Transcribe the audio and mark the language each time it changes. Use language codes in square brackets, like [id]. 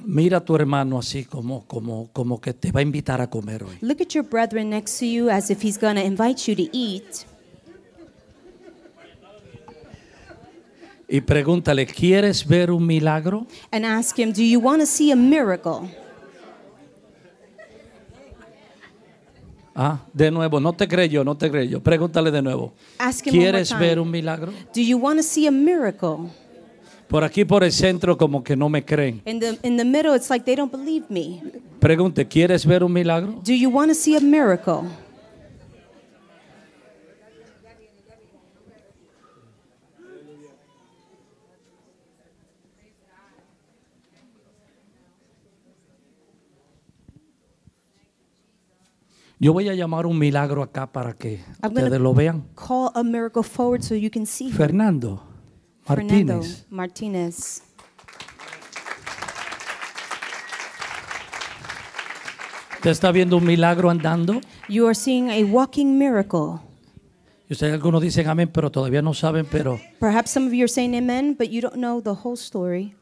[es] mira a tu hermano así como que te va a invitar a comer hoy. [en] Look at your brethren next to you as if he's going to invite you to eat. [es] Y pregúntale, ¿quieres ver un milagro? [en] And ask him, do you want to see a miracle? [es] Ah, de nuevo, no te creyo. Pregúntale de nuevo. [en] Ask him, [es] ¿quieres [en] one more time, [es] ver un milagro? [en] Do you want to see a miracle? [es] Por aquí por el centro como que no me creen. [en] In the middle it's like they don't believe me. [es] Pregunte, ¿quieres ver un milagro? [en] Do you want to see a miracle? [es] Yo voy a llamar un milagro acá para que ustedes lo vean. [en] Call a miracle forward so you can see. [es] Fernando Martínez. Fernando Martínez. ¿Usted está viendo un milagro andando? [en] You are seeing a walking miracle. [es] Y ustedes algunos dicen amén, pero todavía no saben, pero [en] perhaps some of you are saying amen, but you don't know the whole story.